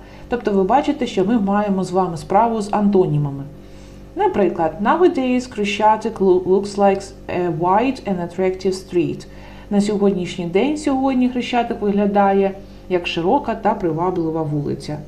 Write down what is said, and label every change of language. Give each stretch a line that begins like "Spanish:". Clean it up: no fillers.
Ukrainian: Тобто ви бачите, що ми маємо з вами справу з антонімами.
English: Наприклад, nowadays Khrushchev looks like a wide and attractive street.
Ukrainian: На сьогоднішній день сьогодні Хрещатик виглядає як широка та приваблива вулиця.